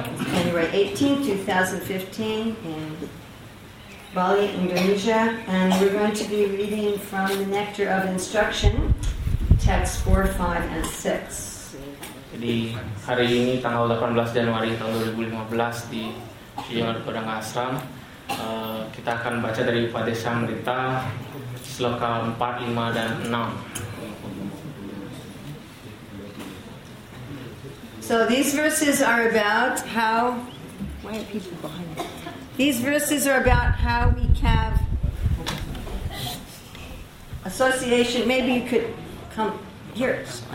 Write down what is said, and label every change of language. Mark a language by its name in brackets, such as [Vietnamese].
[English] January 18, 2015 in Bali, Indonesia, and we're going to be reading from the Nectar of Instruction, texts 4, 5, and 6. [Indonesian] Jadi hari ini tanggal 18 Januari tahun 2015 di Shiyar Padang Ashram, kita akan baca dari Upadesamrita sloka 4, 5, dan 6. [English] So these verses are about how... Why are people behind us? These verses are about how we have association. Maybe you could come here.